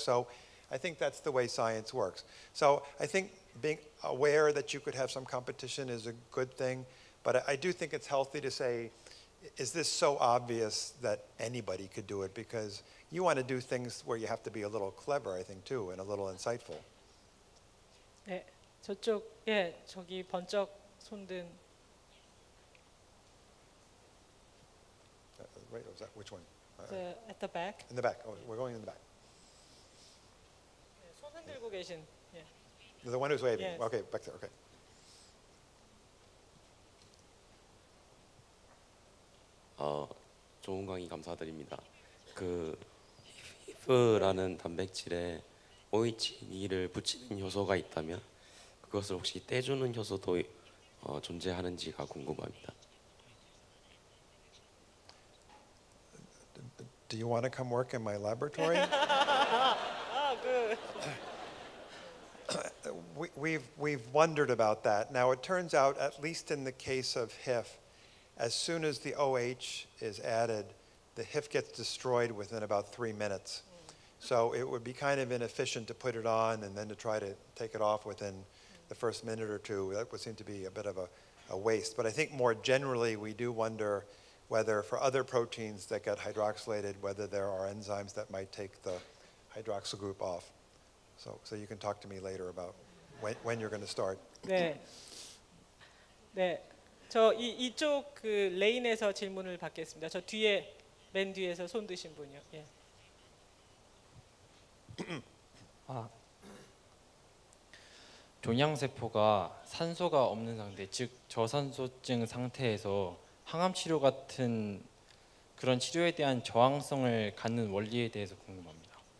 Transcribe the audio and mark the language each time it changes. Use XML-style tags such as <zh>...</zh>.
<en>So I think that's the way science works. So I think being aware that you could have some competition is a good thing, but I do think it's healthy to say, is this so obvious that anybody could do it? Because you want to do things where you have to be a little clever, I think, too, and a little insightful.</en> <ko>네, 저쪽, 예, 저기 번쩍 손든.</ko> <en>Wait, was that which one? At the back. In the back. Oh, we're going in the back.</en> <ko>손 흔들고 계신.</ko> <en>The one who's waving. Yes. Okay, back there. Okay.</en> <ko>좋은 강의 감사드립니다. 그 히프라는 단백질에 OH2를 붙이는 효소가 있다면 그것을 혹시 떼주는 효소도 존재하는지가 궁금합니다.</ko> <en>Do you want to come work in my laboratory? We've wondered about that. Now it turns out, at least in the case of HIF, as soon as the OH is added, the HIF gets destroyed within about 3 minutes. So it would be kind of inefficient to put it on and then to try to take it off within the first minute or two. That would seem to be a bit of a waste. But I think more generally, we do wonder whether for other proteins that get hydroxylated, whether there are enzymes that might take the hydroxyl group off. So you can talk to me later about when you're going to start.</en> <ko>네. 네. 저 이쪽 그 레인에서 질문을 받겠습니다. 저 뒤에 맨 뒤에서 손 드신 분이요. 예. 아. 종양 세포가 산소가 없는 상태, 즉 저산소증 상태에서 항암 치료 같은 그런 치료에 대한 저항성을 갖는 원리에 대해서 궁금합니다.</ko>